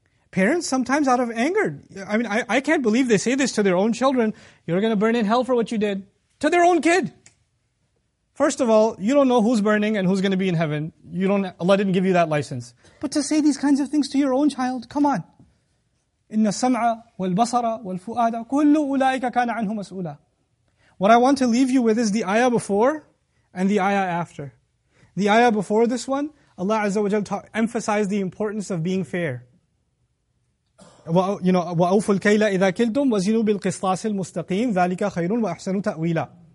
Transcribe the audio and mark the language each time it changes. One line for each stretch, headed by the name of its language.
English: Parents sometimes out of anger. I mean, I can't believe they say this to their own children. You're going to burn in hell for what you did. To their own kid. First of all, you don't know who's burning and who's going to be in heaven. Allah didn't give you that license. But to say these kinds of things to your own child, come on.
Arabic: إِنَّ السَّمْعَ وَالْبَصَرَ وَالْفُؤَادَ كُلُّ أُولَٰئِكَ كَانَ عَنْهُ مَسْؤُولًا.
English: What I want to leave you with is the ayah before and the ayah after. The ayah before this one, Allah Azza wa Jalla emphasized the importance of being fair. You know,
Arabic: وَأَوْفُ الْكَيْلَ إِذَا كِلْتُمْ وَزِنُوا بِالْقِسْطَاسِ الْمُسْتَقِيمِ ذَلِكَ خَيْرٌ وَأَحْسَنُ تَأْوِيلًا.